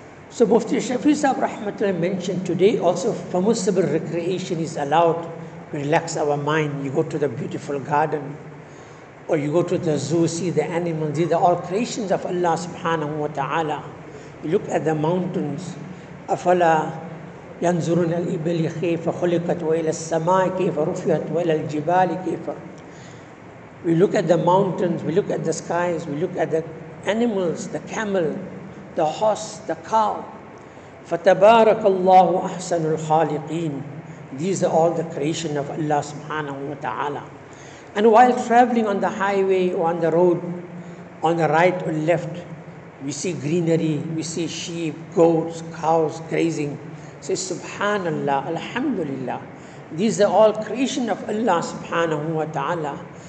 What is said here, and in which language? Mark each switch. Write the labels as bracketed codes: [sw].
[en] So Mufti Shafi Sahib Rahmatullah mentioned today also permissible recreation is allowed. We relax our mind, you go to the beautiful garden, or you go to the zoo, see the animals, these are all creations of Allah subhanahu wa ta'ala. You look at the mountains, afala [ar] ينظرون الإبل كيف خلقت وإلى السماء كيف رفعت وإلى الجبال كيف. [en] We look at the mountains, we look at the skies, we look at the animals, the camel, the horse, the cow. [ar] فتبارك الله أحسن الخالقين. [en] These are all the creation of Allah subhanahu wa ta'ala. And while traveling on the highway or on the road, on the right or left, we see greenery, we see sheep, goats, cows grazing. Say subhanallah, alhamdulillah. These are all creation of Allah subhanahu wa ta'ala.